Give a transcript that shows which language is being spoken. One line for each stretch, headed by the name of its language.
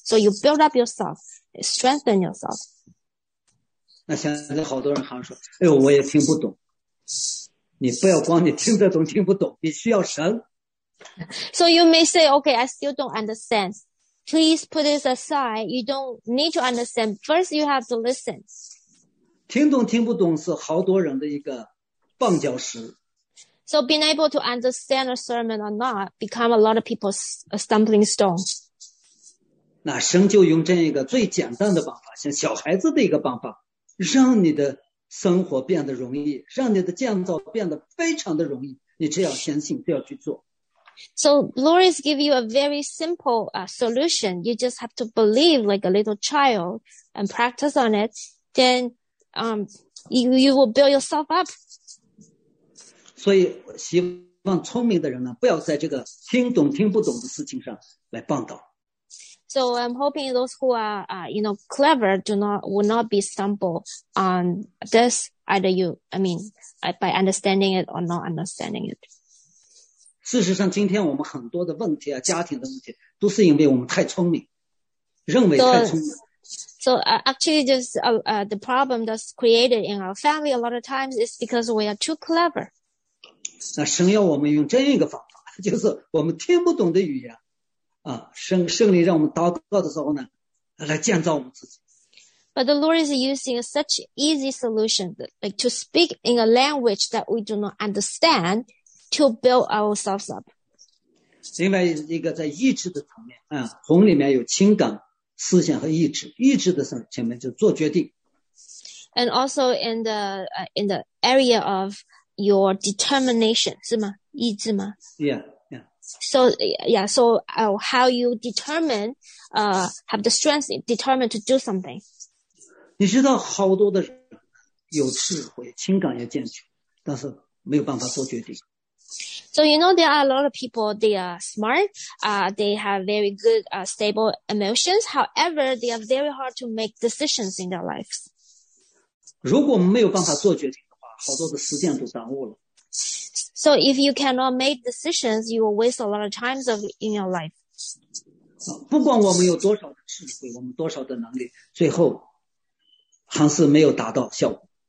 English: So you build up yourself, strengthen yourself.
Chinese: 那现在好多人还说，哎呦，我也听不懂。你不要光你听得懂听不懂，你需要神。
English: So you may say, okay, I still don't understand. Please put this aside. You don't need to understand. First, you have to listen.
Chinese: 听懂听不懂是好多人的一个绊脚石。
English: So being able to understand a sermon or not become a lot of people's stumbling stone.
Chinese: 那神就用这样一个最简单的方法，像小孩子的一个方法，让你的生活变得容易，让你的建造变得非常的容易。你只要相信，只要去做。
English: So Lord is giving you a very simple solution. You just have to believe like a little child and practice on it. Then you will build yourself up.
Chinese: 所以希望聪明的人呢，不要在这个听懂听不懂的事情上来绊倒。
English: So I'm hoping those who are, you know, clever will not be stumbled on this. By understanding it or not understanding it.
Chinese: 事实上，今天我们很多的问题啊，家庭的问题，都是因为我们太聪明，认为太聪明。
English: So actually, just the problem that's created in our family a lot of times is because we are too clever.
Chinese: 那神要我们用这样一个方法，就是我们听不懂的语言，圣灵让我们祷告的时候呢，来建造我们自己。
English: But the Lord is using such easy solution, like to speak in a language that we do not understand, to build ourselves up.
Chinese: 另外一个在意志的层面，魂里面有情感。思想和意志，意志的上前面就做决定。
English: And also in the area of your determination,
Chinese: 是吗？意志吗
English: ？Yeah. So how you determine, have the strength determined to do something.
Chinese: 你知道好多的人，有智慧，情感也健全，但是没有办法做决定。
English: So you know there are a lot of people, they are smart, they have very good, stable emotions. However, they are very hard to make decisions in their lives.
Chinese: 如果没有办法做决定的话，好多的时间都耽误了。
English: So if you cannot make decisions, you will waste a lot of time in your life.
Chinese: 不管我们有多少的智慧，我们多少的能力，最后还是没有达到效果。